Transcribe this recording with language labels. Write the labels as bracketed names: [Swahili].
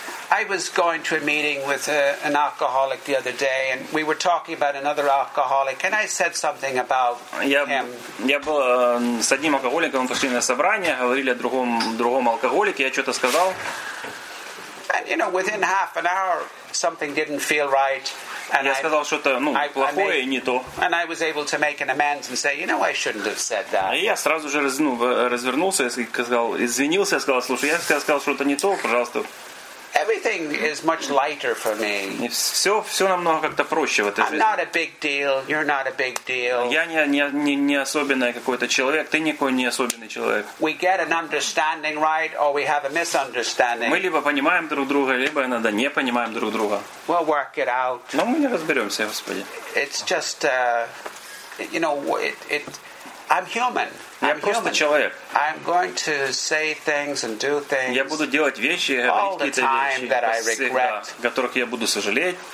[English] I was going to a meeting with an alcoholic the other day, and we were talking about another alcoholic, and I said something about him. [Russian] Я был с одним алкоголиком, мы пошли на собрание, говорили о другом алкоголике, я что-то сказал. [English] And you know, within half an hour, something didn't feel right. And [Russian] я сказал что-то плохое и не то. [English] And I was able to make an amends and say, you know, I shouldn't have said that. [Russian] И я сразу же развернулся и сказал, извинился, сказал, слушай, я сказал что-то не то, пожалуйста. [English] Everything is much lighter for me. [Russian] Все намного как-то проще в этой [English] I'm [Russian] жизни. [English] Not a big deal. You're not a big deal. [Russian] Я не особенный какой-то человек. Ты никакой не особенный человек. [English] We get an understanding right, or we have a misunderstanding. [Russian] Мы либо понимаем друг друга, либо иногда не понимаем друг друга. [English] We'll work it out. [Russian] Но мы не разберемся, Господи. [English] It's just, you know, I'm human. [Russian] Я просто человек. [English] I'm going to say things and do things. [Russian] Я буду делать вещи, говорить какие-то вещи, всегда, которых я буду сожалеть.